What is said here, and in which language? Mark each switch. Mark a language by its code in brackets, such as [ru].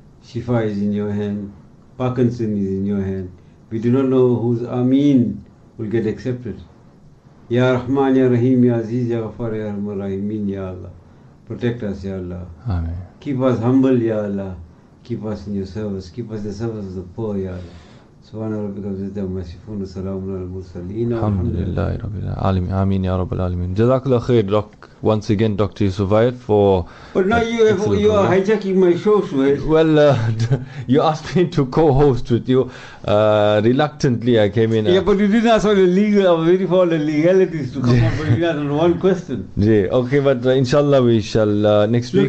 [en] Shifa is in your hand. Parkinson is in your hand. We do not know whose Ameen will get accepted. Ya Rahman, Ya Rahim, Ya Aziz, Ya Ghaffar, Ya Rahman, Rahimin, Ya Allah. Protect us, Ya Allah. Amen. Keep us humble, Ya Allah. Keep us in your service. Keep us in the service of the poor, Ya Allah. [ar] سبحان ربك رب العزة عما يصفون وسلام على المرسلين الحمد لله رب العالمين آمين يا رب العالمين جزاك الله خير دوك [en] once again Dr. Suhail for but now you are hijacking my show Suhail. Well you asked me to co-host with you reluctantly I came in yeah but you didn't ask all the legal very for the legalities to come up but you asked one question yeah okay but inshallah we shall next week